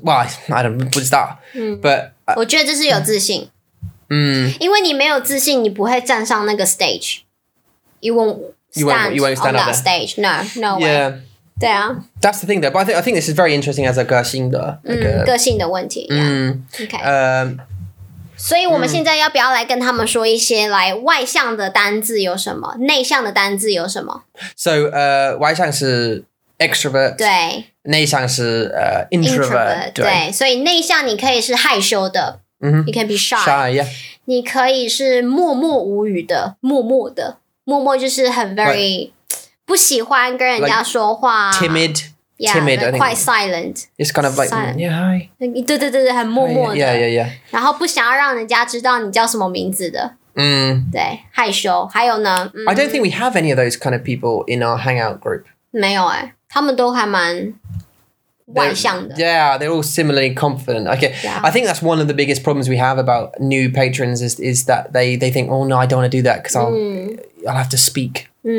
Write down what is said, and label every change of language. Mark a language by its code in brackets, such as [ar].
[en] Well, I don't know. What's that? But... [zh] 我觉得这是有自信。因为你没有自信，你不会站上那个stage. [en] You won't stand on that stage. No way. Yeah. [zh] 对啊, [en] that's the thing though, but I think this is very interesting as a [zh] 个性的, [en] like a, [zh] 个性的问题, [en] yeah. Okay. [zh] 所以我们现在要不要来跟他们说一些 like 外向的单字有什么, 内向的单字有什么? So 外向是 extrovert, 对, 内向是 introvert, 对, 所以内向你可以是害羞的, [en] you can be shy, yeah. [zh] 你可以是默默无语的, 默默的, 默默就是很 very right. 不喜欢跟人家说话 [en] like, timid, yeah, timid, like, quite silent. It's kind of like, yeah, hi. [zh] 对对对对，很默默的。 [en] Yeah, yeah, yeah. [zh] 然后不想要让人家知道你叫什么名字的。对，害羞。还有呢？ [en] I don't think we have any of those kind of people in our hangout group. [zh] 没有诶，他们都还蛮外向的。 [en] Yeah, they're all similarly confident. Okay, yeah. I think that's one of the biggest problems we have about new patrons is that they think, oh no, I don't want to do that because I'll have to speak.